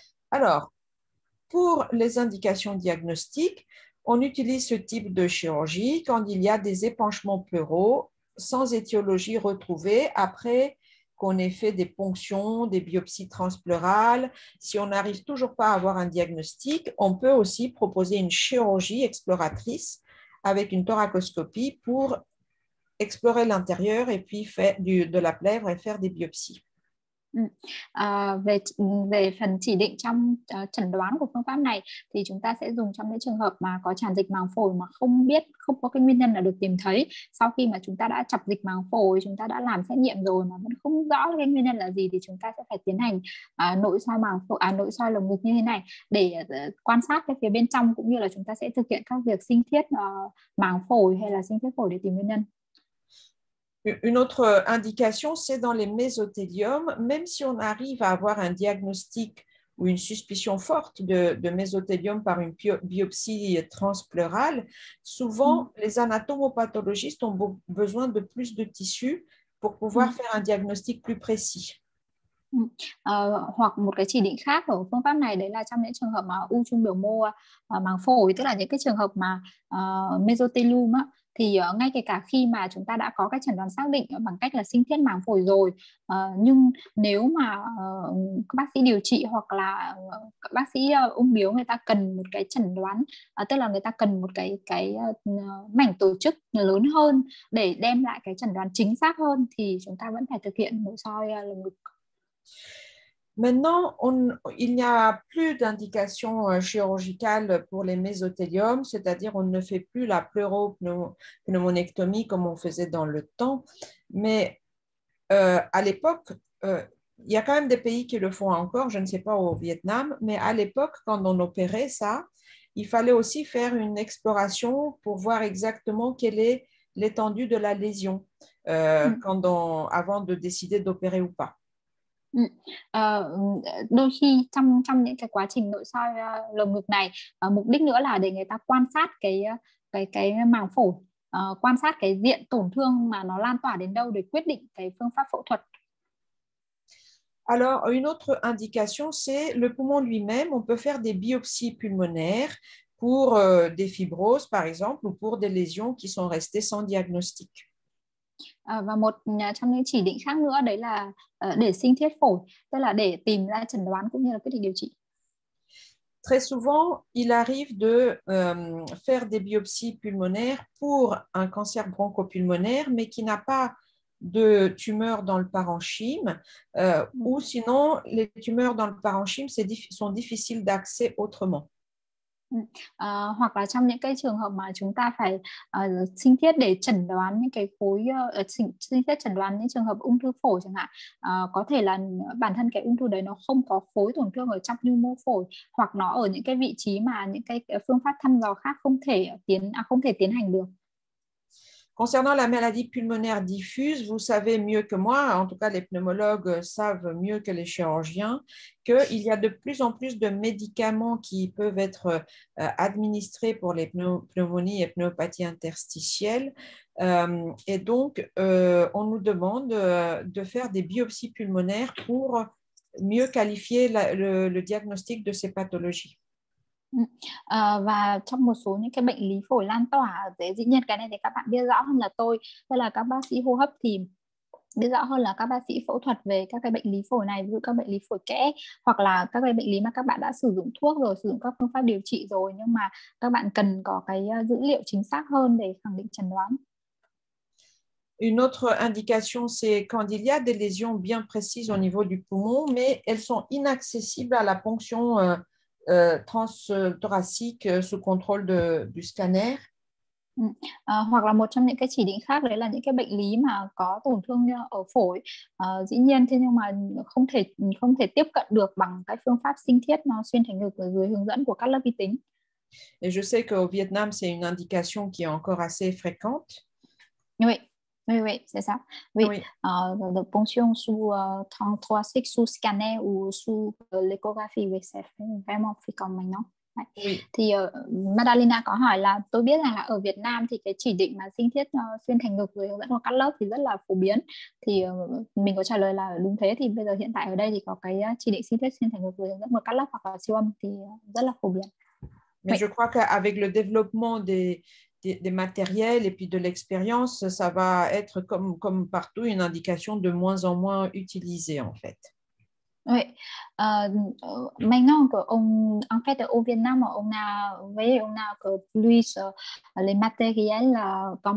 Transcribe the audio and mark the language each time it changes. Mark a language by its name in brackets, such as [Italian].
[French] Alors, pour les indications diagnostiques, on utilise ce type de chirurgie quand il y a des épanchements pleuraux sans étiologie retrouvée après qu'on ait fait des ponctions, des biopsies transpleurales. Si on n'arrive toujours pas à avoir un diagnostic, on peut aussi proposer une chirurgie exploratrice avec une thoracoscopie pour explorer l'intérieur et puis faire de la plèvre et faire des biopsies. [Vietnamese] Về phần chỉ định trong chẩn đoán của phương pháp này thì chúng ta sẽ dùng trong những trường hợp mà có tràn dịch màng phổi mà không có cái nguyên nhân là được tìm thấy. Sau khi mà chúng ta đã chọc dịch màng phổi, chúng ta đã làm xét nghiệm rồi mà vẫn không rõ cái nguyên nhân là gì thì chúng ta sẽ phải tiến hành nội soi lồng ngực như thế này để quan sát cái phía bên trong cũng như là chúng ta sẽ thực hiện các việc sinh thiết màng phổi hay là sinh thiết phổi để tìm nguyên nhân. [French] Une autre indication, c'est dans les mésothéliums. Même si on arrive à avoir un diagnostic ou une suspicion forte de mésothélium par une biopsie transpleurale, souvent les anatomopathologistes ont besoin de plus de tissus pour pouvoir faire un diagnostic plus précis. [Vietnamese] Hoặc một cái chỉ định khác của phương pháp này đấy là trong những trường hợp mà u trung biểu mô màng phổi, tức là những cái trường hợp mà mesothelium á, thì ngay kể cả khi mà chúng ta đã có cái chẩn đoán xác định bằng cách là sinh thiết màng phổi rồi, nhưng nếu mà bác sĩ điều trị hoặc là bác sĩ ung biếu người ta cần một cái chẩn đoán, tức là người ta cần một cái mảnh tổ chức lớn hơn để đem lại cái chẩn đoán chính xác hơn thì chúng ta vẫn phải thực hiện nội soi lồng ngực. [French] Maintenant, il n'y a plus d'indication chirurgicale pour les mésothéliums, c'est-à-dire on ne fait plus la pleuropneumonectomie comme on faisait dans le temps. Mais à l'époque, il y a quand même des pays qui le font encore, je ne sais pas au Vietnam, mais à l'époque, quand on opérait ça, il fallait aussi faire une exploration pour voir exactement quelle est l'étendue de la lésion avant de décider d'opérer ou pas. [Vietnamese] Đôi khi trong những cái quá trình nội soi lồng ngực này, mục đích nữa là để người ta quan sát cái màng phổi, quan sát cái diện tổn thương mà nó lan tỏa đến đâu để quyết định cái phương pháp phẫu thuật. [French] Alors, une autre indication, c'est le poumon lui-même. On peut faire des biopsies pulmonaires pour des fibroses, par exemple, ou pour des lésions qui sont restées sans diagnostic. [Vietnamese] Và một trong những chỉ định khác nữa đấy là để sinh thiết phổi, tức là để tìm ra chẩn đoán cũng như là quyết định điều trị. [French] Très souvent, il arrive de faire des biopsies pulmonaires pour un cancer bronchopulmonaire, mais qui n'a pas de tumeur dans le parenchyme, ou sinon, les tumeurs dans le parenchyme sont difficiles d'accès autrement. [Vietnamese] Hoặc là trong những cái trường hợp mà chúng ta phải sinh thiết để chẩn đoán những cái khối sinh thiết chẩn đoán những trường hợp ung thư phổi chẳng hạn, có thể là bản thân cái ung thư đấy nó không có khối tổn thương ở trong nhu mô phổi hoặc nó ở những cái vị trí mà những cái phương pháp thăm dò khác không thể tiến hành được. [French] Concernant la maladie pulmonaire diffuse, vous savez mieux que moi, en tout cas les pneumologues savent mieux que les chirurgiens, qu'il y a de plus en plus de médicaments qui peuvent être administrés pour les pneumonies et pneumopathies interstitielles. Et donc, on nous demande de faire des biopsies pulmonaires pour mieux qualifier le diagnostic de ces pathologies. [Vietnamese] Và trong một số những cái bệnh lý phổi lan tỏa, dĩ nhiên cái này thì các bạn biết rõ hơn là tôi, tức là các bác sĩ hô hấp thì biết rõ hơn là các bác sĩ phẫu thuật về các cái bệnh lý phổi này, ví dụ các bệnh lý phổi kẽ hoặc là các cái bệnh lý mà các bạn đã sử dụng thuốc rồi, sử dụng các phương pháp điều trị rồi, nhưng mà các bạn cần có cái dữ liệu chính xác hơn để khẳng định chẩn đoán. [French] Une autre indication, c'est quand il y a des lésions bien précises au niveau du poumon, mais elles sont inaccessibles à la ponction transthoracique sous contrôle du scanner. [Vietnamese] Hoặc là một trong những cái chỉ định khác đấy là những cái bệnh lý mà có tổn thương ở phổi, dĩ nhiên thế nhưng mà không thể tiếp cận được bằng cái phương pháp sinh thiết nó xuyên thành ngực dưới hướng dẫn của các lớp vi tính. [French] Et je sais qu'au Vietnam, c'est une indication qui est encore assez fréquente. Oui, oui, oui, c'est ça. Oui, oui. La ponction sous 33C, sous scanner ou sous l'échographie, oui, c'est vraiment fréquent maintenant. Oui. [Vietnamese] Thì Madalina có hỏi là tôi biết rằng là ở Việt Nam thì cái chỉ định mà sinh thiết xuyên thành ngực với vẫn còn cắt lớp thì rất là phổ biến, thì mình có trả lời là đúng thế, thì bây giờ hiện tại ở đây thì có cái chỉ định sinh thiết xuyên thành ngực với vẫn còn cắt lớp hoặc là siêu âm thì rất là phổ biến. [French] Mais oui. Je crois qu'avec le développement des matériels et puis de l'expérience, ça va être comme partout une indication de moins en moins utilisée en fait. Oui. Maintenant en fait au Vietnam on a plus les matériels comme